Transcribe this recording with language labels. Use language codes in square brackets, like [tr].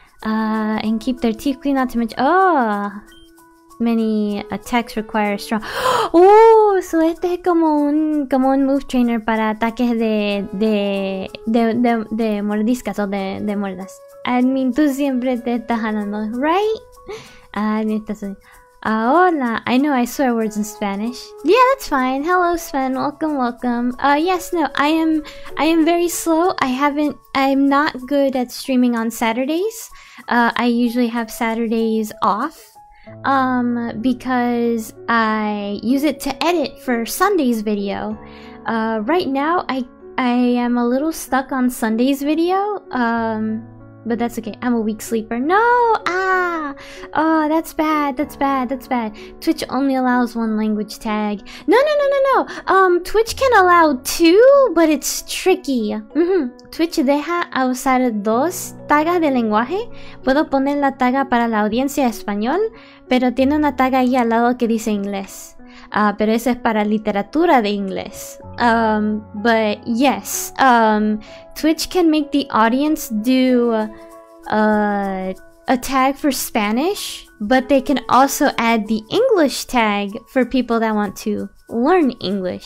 [en] And keep their teeth clean, not to mention. Oh. Many attacks require strong. [es] Oh, so este es como un move trainer para ataques de mordiscas o de muerdas. Admin, tú siempre te estás jalando, right? [en] Admin, hola, I know I swear words in Spanish. Yeah, that's fine. Hello, Sven. Welcome, welcome. Yes, no, I am very slow. I'm not good at streaming on Saturdays. I usually have Saturdays off. Because I use it to edit for Sunday's video. Right now I am a little stuck on Sunday's video. But that's okay. I'm a weak sleeper. No! Ah! Oh, that's bad. That's bad. That's bad. Twitch only allows one language tag. No. Twitch can allow two, but it's tricky. [es] Twitch deja a usar dos tagas de lenguaje. Puedo poner la taga para la audiencia español, pero tiene una taga ahí al lado que dice inglés. Pero eso es para literatura de inglés. [en] But yes, Twitch can make the audience do a tag for Spanish, but they can also add the English tag for people that want to learn English.